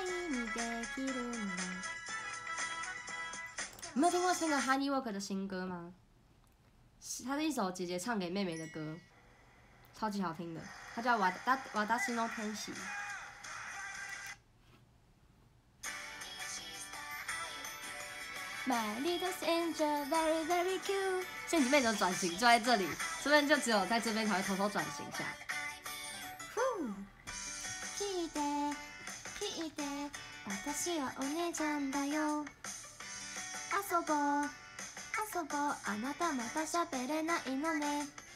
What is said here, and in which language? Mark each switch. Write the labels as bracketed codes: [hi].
[zh] 你有听过新的 Honeywork 的新歌吗？它是一首姐姐唱给妹妹的歌，超级好听的。它叫Wadashi no Tenshi。 [en] My little angel, very very cute。 [zh] 仙女妹的转型就在这里，这边就只有在这边才会偷偷转型一下。呼， [ja] 聞いて、聞いて、私はお姉ちゃんだよ。遊ぼう遊ぼう、あなたまた喋れないのね。